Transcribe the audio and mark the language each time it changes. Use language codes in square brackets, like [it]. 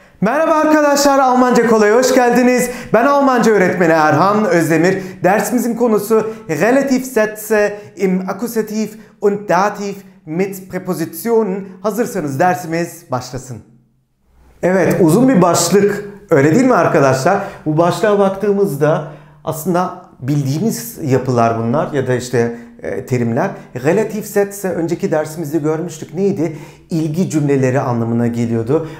[tr] Merhaba arkadaşlar, Almanca Kolay'a hoş geldiniz. Ben Almanca öğretmeni Erhan Özdemir. Dersimizin konusu [de] relativ Sätze im Akkusativ und Dativ mit Präpositionen. [tr] Hazırsanız dersimiz başlasın. Evet, uzun bir başlık. Öyle değil mi arkadaşlar? Bu başlığa baktığımızda aslında bildiğimiz yapılar bunlar ya da işte terimler. Relativ Sätze önceki dersimizde görmüştük. Neydi? İlgi cümleleri anlamına geliyordu.